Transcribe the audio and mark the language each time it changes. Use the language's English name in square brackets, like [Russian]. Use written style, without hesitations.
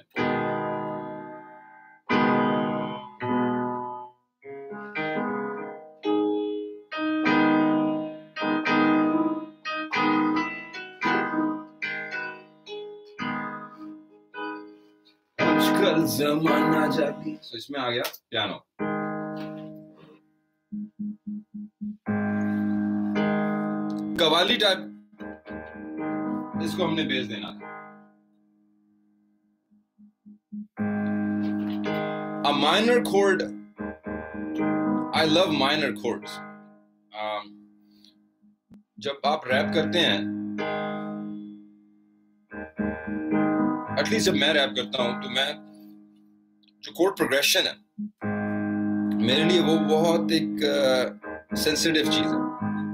[Hindi] आजकल जमाना जाली, तो इसमें आ गया पियानो। कवाली टाइप इसको हमने बेस देना था। [English] A minor chord, I love minor chords. [Hindi] जब आप रैप करते हैं, [English] at least [Hindi] जब मैं रैप करता हूं, तो मैं जो chord progression है, मेरे लिए वो बहुत एक sensitive चीज है।